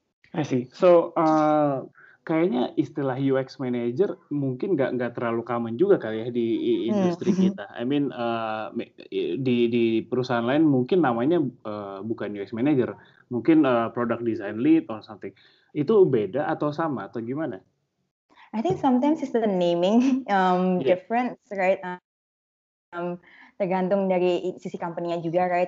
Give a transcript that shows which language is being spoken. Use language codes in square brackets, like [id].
[en] I see. So [id] kayaknya istilah UX manager mungkin nggak terlalu common juga kali ya di industri kita. [en] I mean [id] di perusahaan lain mungkin namanya bukan UX manager, mungkin product design lead [en] or something. [id] Itu beda atau sama atau gimana? [en] I think sometimes it's the naming difference, right? [id] Tergantung dari sisi company-nya juga, [en] right?